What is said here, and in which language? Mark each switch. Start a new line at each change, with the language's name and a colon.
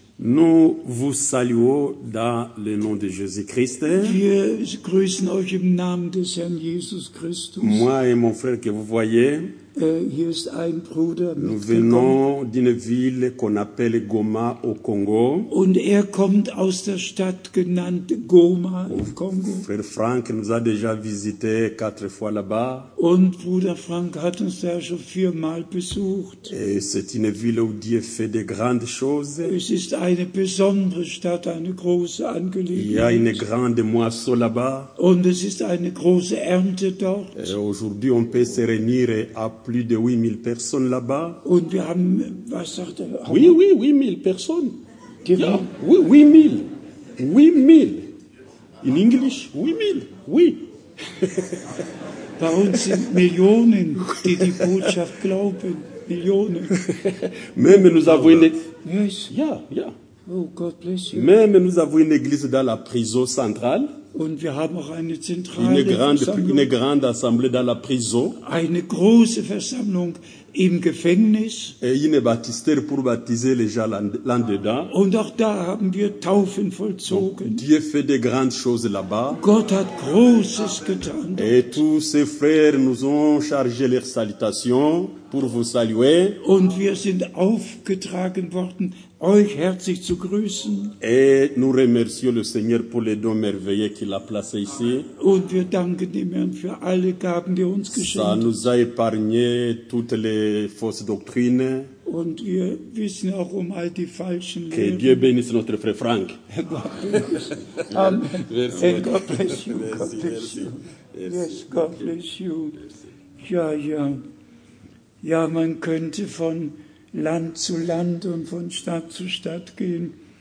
French: Nous vous saluons dans le nom de Jésus-Christ.
German: Wir grüßen euch im Namen des Herrn Jesus Christus.
French: Moi et mon frère que vous voyez.
German: Hier ist ein Bruder.
French: Nous venons d'une ville qu'on appelle Goma au Congo.
German: Und kommt aus der Stadt genannt Goma im Kongo.
French: Frère Frank nous a déjà visité 4 fois là-bas.
German: Und Bruder Frank hat uns da schon 4 Mal besucht.
French: Et c'est une ville où Dieu fait de grandes choses.
German: Es ist eine besondere Stadt, eine große Angelegenheit.
French: Il y a une grande moisson là-bas.
German: Und es ist eine große Ernte dort.
French: Et aujourd'hui on peut se réunir à plus de 8000 personnes là-bas.
German: Und wir haben, was sagt er,
French: oui, oui, 8000 personnes. Ja, oui, 8000. 8000.
English: In English, 8000. Oui.
German: Bei uns sind Millionen, die die Botschaft glauben. Millionen.
French: Même nous avons une...
English: Yes. Yeah, yeah. Oh, God bless you.
French: Même nous avons une église dans la prison centrale.
German: Und wir haben auch eine zentrale
French: une grande assemblée dans la prison.
German: Eine große Versammlung im Gefängnis.
French: Et une baptistère pour baptiser les gens là-dedans.
German: Und auch da haben wir Taufen vollzogen.
French: Donc, Dieu fait de grandes choses là-bas.
German: Gott hat Großes getan.
French: Et tous ses frères nous ont chargé leurs salutations pour vous saluer.
German: Und wir sind aufgetragen worden, euch herzlich zu grüßen.
French: Et nous remercions le Seigneur pour les dons merveilleux qu'il a placés ici.
German: Und wir danken dem Herrn für alle Gaben, die uns geschenkt.
French: Ça nous a épargné toutes les fausses doctrines.
German: Und wir wissen auch um all die falschen
French: Lehren. Que Dieu bénisse notre frère Frank.
English: Amen. And God bless you. God bless you. Yes, God bless you.
German: Ja, ja. Ja, man könnte von Land zu Land und von Stadt zu Stadt gehen.